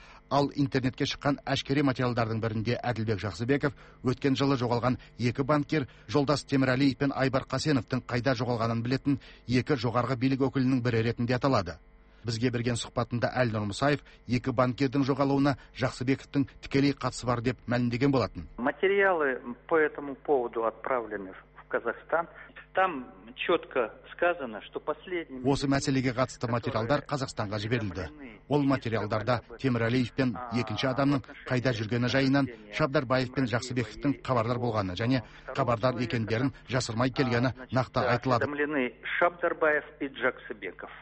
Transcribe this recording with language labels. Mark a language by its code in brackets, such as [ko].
[kk] Ал интернетке шыққан әшкере материалдардың бірінде Әділбек Жақсыбеков өткен жылы жоғалған екі банкир Жолдас Темірәлиев пен Айбар Қасеновтың қайда жоғалғанын білетін екі жоғарғы билік өкілінің бірі ретінде аталады. Бізге берген сұхбатында Әл Нұрмұсаев екі банкирдің жоғалуына Жақсыбековтың тікелей қатысы бар деп мәлімдеген болатын. [ru] Материалы по этому поводу отправлены в Казахстан. Там четко сказано, что последний. [kk] Осы мәселеге қатысты материалдар Қазақстанға жіберілді. Ол материалдарда Темірәлиев пен екінші адамның қайда жүргені жайынан Шабдарбаев пен Жақсыбековтің хабардар болғаны және хабардар екендерін жасырмай келгені нақты айтылады. [ru] Шабдарбаев и Жақсыбеков.